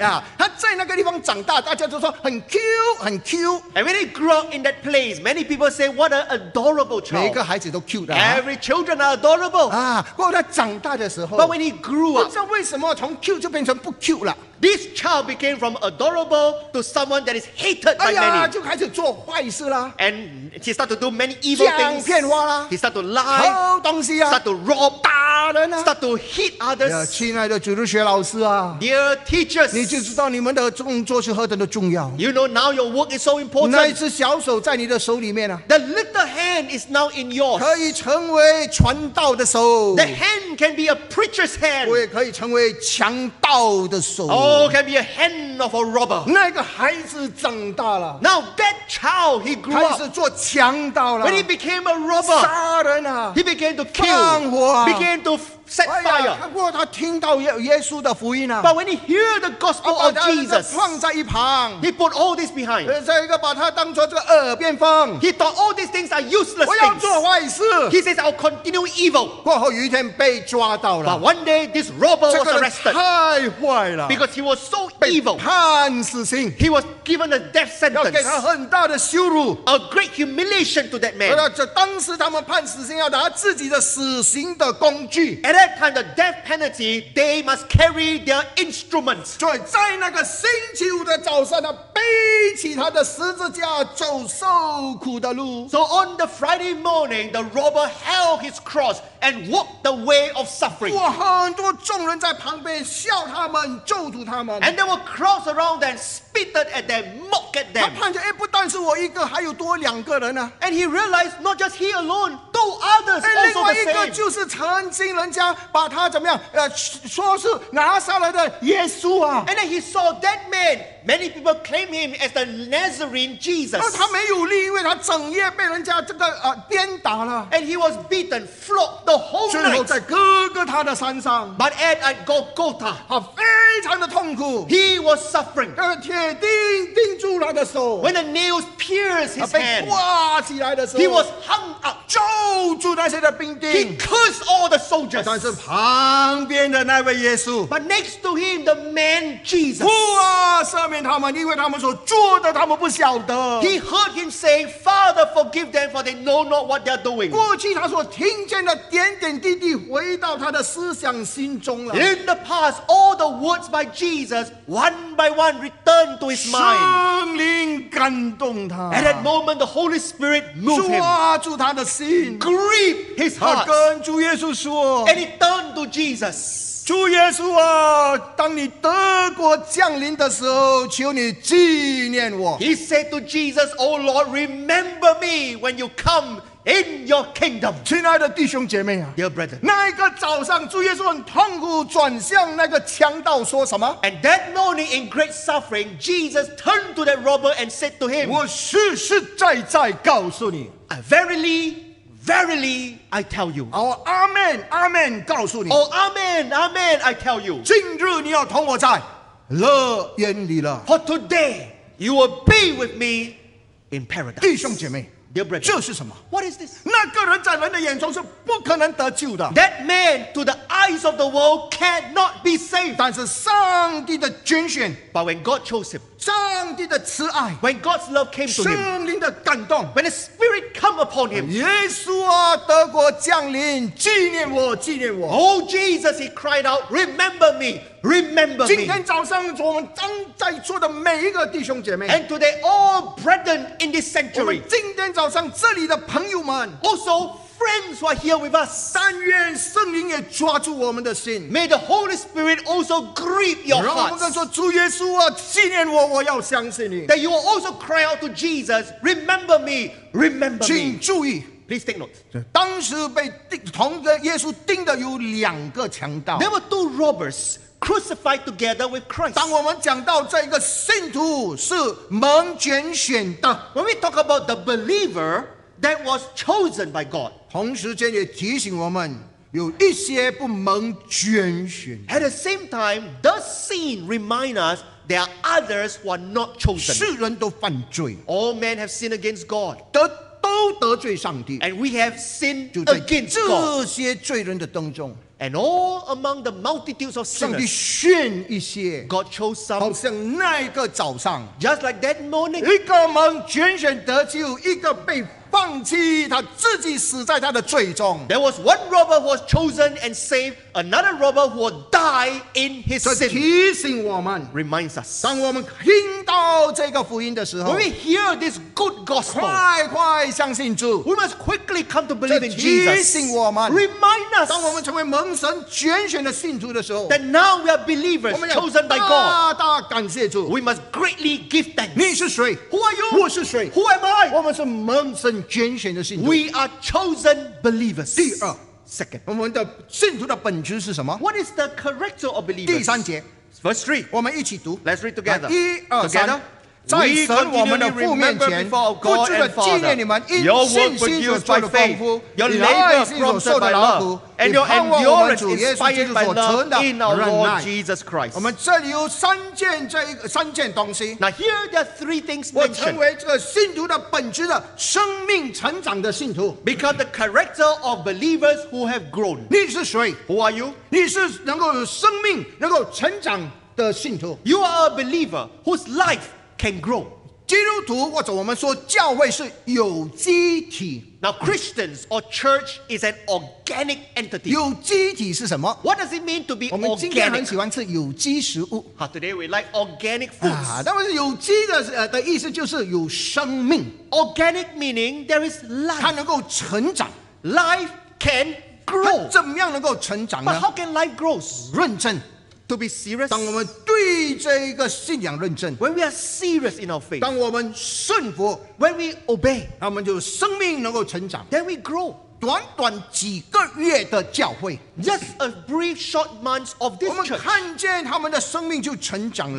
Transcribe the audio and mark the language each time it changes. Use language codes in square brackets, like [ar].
[zh] 啊，他在那个地方长大，大家都说很 Q 很 Q. [en] And when he grew up in that place, many people say, what an adorable child. [zh] 每个孩子都 [en] cute [zh] 的、啊。 [en] Every children are adorable. [zh] 啊，不过他长大的时候 [en] ，but when he grew up, [zh] 不知道为什么从 Q 就变成不 Q 了。 [en] This child became from adorable to someone that is hated by many. [zh] 哎呀，就开始做坏事啦。 [en] And he started to do many evil things. [zh] 讲骗话啦。 [en] He started to lie. [zh] 偷东西啊。 [en] Started to rob. [zh] 打人啊。 [en] Started to hit others. [zh] 亲爱的主日学老师啊。 [en] Dear teachers. [zh] 你就知道你们的工作是何等的重要。 [en] You know now your work is so important. [zh] 那一只小手在你的手里面啊。 [en] The little hand is now in yours. [zh] 可以成为传道的手。 [en] The hand can be a preacher's hand. [zh] 我也可以成为强盗的手。 [en] Can be a hand of a robber. [zh] 那个孩子长大了。 [en] Now that child he grew up. [zh] 开始做强盗了。 [en] When he became a robber. [zh] 杀人啊。 [en] He began to kill. [zh] 放火啊。 [en] Began to set fire. [zh] 哎呀，不过他听到耶稣的福音啊。 [en] But when he hear the gospel of Jesus. [zh] 放在一旁。 [en] He put all this behind. [zh] 这个把他当作这个耳边风。 [en] He thought all these things are useless things. [zh] 我要做坏事。 [en] He says I'll continue evil. [zh] 过后有一天被抓到了。 [en] But one day this robber was arrested. [zh] 这个人太坏了。 [en] Because he was so evil. [zh] 被判死刑。 [en] He was given a death sentence. [zh] 要给他很大的羞辱。 [en] A great humiliation to that man. [zh] 这当时他们判死刑要拿自己的死刑的工具。 [en] At that time, the death penalty, they must carry their instruments. [zh] 所以在那个星期五的早上，他背起他的十字架，走受苦的路。 [en] So on the Friday morning, the robber held his cross and walked the way of suffering. [zh] 哇，很多众人在旁边笑他们，咒诅他们。 [en] And there were crowds around them, spitted at them, mocked at them. [zh] 他判决，不但是我一个，还有多两个人呢、啊。 [en] And he realized not just he alone, two others also the same. [zh] 另外一个就是曾经人。把他怎么样？说是拿撒勒的耶稣啊 [en] ！And then he saw that man. Many people claim him as the Nazarene Jesus. [zh] 他没有力，因为他整夜被人家这个鞭打了。 [en] And he was beaten, flogged the whole night. [zh] 最后在哥哥他的山上。 [en] But at Golgotha, [zh] 他非常的痛苦。 [en] He was suffering. [zh] 铁钉钉住他的手。 [en] When the nails pierced his hand, [zh] 挂起来的时候 [en] ，He was hung up. [zh] 咒住那些的兵丁。 [en] He cursed all the soldiers. [zh] 但是旁边的那位耶稣 [en] ，But next to him the man Jesus， [zh] 父啊，赦免他们，因为他们所做的他们不晓得。 [en] He heard him say, "Father, forgive them, for they know not what they're doing." [zh] 过去他所听见的点点滴滴回到他的思想心中了。 [en] In the past, all the words by Jesus, one by one, returned to his mind. [zh] 圣灵感动他。 [en] At that moment, the Holy Spirit moved him. [zh] 抓住他的心 [en] ，gripped his heart. [zh] 他跟主耶稣说。 [en] And he turned to Jesus. [zh] 主耶稣啊，当你德国降临的时候，求你纪念我。 [en] He said to Jesus, "Oh Lord, remember me when you come in your kingdom." [zh] 亲爱的弟兄姐妹啊 [en] ，Dear brethren, [zh] 那一个早上，主耶稣很痛苦，转向那个强盗说什么 [en] ？And that morning, in great suffering, Jesus turned to that robber and said to him, [zh] 我实实在在告诉你 [en] verily. Verily, I tell you. Oh, Amen, Amen, [zh] 告诉你 [en] Oh, Amen, Amen, I tell you. [zh] 今日你要同我在乐园里了 [en] For today, you will be with me in paradise. [zh] 弟兄姐妹 [en] Dear brethren, [zh] 这是什么 [en] What is this? [zh] 那个人在人的眼中是不可能得救的 [en] That man, to the eyes of the world, cannot be saved. [zh] 但是上帝的拣选 [en] But when God chose him, [zh] 上帝的慈爱 [en] When God's love came to him, [zh] 圣灵的感动 [en] When the Spirit come upon him, [zh] 耶稣啊，德国降临，纪念我，纪念我 [en] Oh Jesus, he cried out, remember me, remember me. [zh] 今天早上，我们当在座的每一个弟兄姐妹 [en] And today, all brethren in this sanctuary, [zh] 我们今天早上这里的朋友们 [en] Also, friends who are here with us. [zh] 但愿圣灵也抓住我们的心。 [en] May the Holy Spirit also grip your hearts. [zh] 让我们跟说主耶稣啊，纪念我，我要相信你。 [en] That you will also cry out to Jesus, remember me, remember me. [zh] 请注意。 [en] Please take note. [zh] 当时被钉，同着耶稣钉的有两个强盗。 [en] There were two robbers crucified together with Christ. [zh] 当我们讲到这个信徒是蒙拣选的。 [en] When we talk about the believer that was chosen by God. [zh] 同时间也提醒我们有一些不蒙拣选。 [en] At the same time, the scene reminds us there are others who are not chosen. [zh] 世人都犯罪。 [en] All men have sinned against God. [zh] 都得罪上帝。 [en] And we have sinned against God. [zh] 这些罪人的当中。 [en] And all among the multitudes of sinners, [zh] 上帝选一些, [en] God chose some. [zh] 好像那一个早上, [en] just like that morning, [zh] 一个蒙拣选得救, 一个被放弃, 他自己死在他的罪中。 [en] There was one robber who was chosen and saved, another robber who died in his sin. [zh] 这提醒我们, [en] reminds us. [zh] 当我们听到这个福音的时候, [en] when we hear this good gospel, [zh] 快快相信主, [en] we must quickly come to believe in Jesus. [zh] 这提醒我们, [en] remind us. [zh] 当我们成为蒙神拣选的信徒的时候, [en] that now we are believers, chosen by God. [zh] 我们要大大感谢主, [en] we must greatly give thanks. [zh] 你是谁? [en] Who are you? [zh] 我是谁? [en] Who am I? [zh] 我们是蒙神拣选的信徒。 [en] We are chosen believers. [zh] 第二, [en] second, [zh] 我们的信徒的本质是什么? [en] What is the character of believers? [zh] 第三节, [en] verse 3, [zh] 我们一起读。 [en] Let's read together. [zh] 一二三。在神我们的父面前，不住的纪念你们因信心所做的丰富，你爱心所受的劳苦，你盼望我们主耶稣基督所存的忍耐。我们这里有三件这一个三件东西。 [en] Now here there are three things mentioned. [zh] 我成为这个信徒的本质的生命成长的信徒。 [en] Because the character of believers who have grown. [zh] 你是谁 [en] ？Who are you？ [zh] 你是能够有生命、能够成长的信徒。 [en] You are a believer whose life. Can grow. [zh] 基督徒或者我们说教会是有机体。 [en] Now Christians or church is an organic entity. [zh] 有机体是什么 [en] ？What does it mean to be organic? [zh] 我们今天很喜欢吃有机食物。 [en] Today we like organic foods. [zh] 啊，那么有机的意思就是有生命。 [en] Organic meaning there is life. [zh] 它能够成长。 [en] Life can grow. [zh] 它怎么样能够成长呢 [en] ？But how can life grow? [zh] 认真。 [en] To be serious. [zh] 当我们对这个信仰认真。 [en] When we are serious in our faith. [zh] 当我们顺服。 [en] When we obey. [zh] 那我们就生命能够成长。 [en] Then we grow. [zh] 短短几个月的教会。 [en] Just a brief short months of this church. [zh] 我们看见他们的生命就成长了。